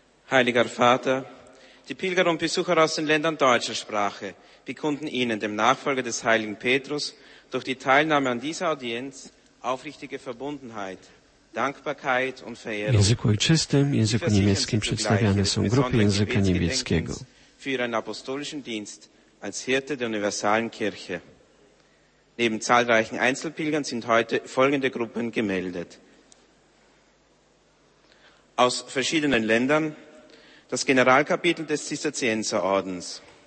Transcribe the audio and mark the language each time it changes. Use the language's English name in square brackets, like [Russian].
[German] Heiliger Vater, die Pilger und Besucher aus den Ländern deutscher Sprache bekunden Ihnen, dem Nachfolger des heiligen Petrus, durch die Teilnahme an dieser Audienz aufrichtige Verbundenheit. [Polish] W języku ojczystym, języku niemieckim przedstawiane są grupy języka niemieckiego. [German] Für einen apostolischen Dienst als Hirte der universalen Kirche. Neben zahlreichen Einzelpilgern sind heute folgende Gruppen gemeldet. Aus verschiedenen Ländern das Generalkapitel des Zisterzienserordens.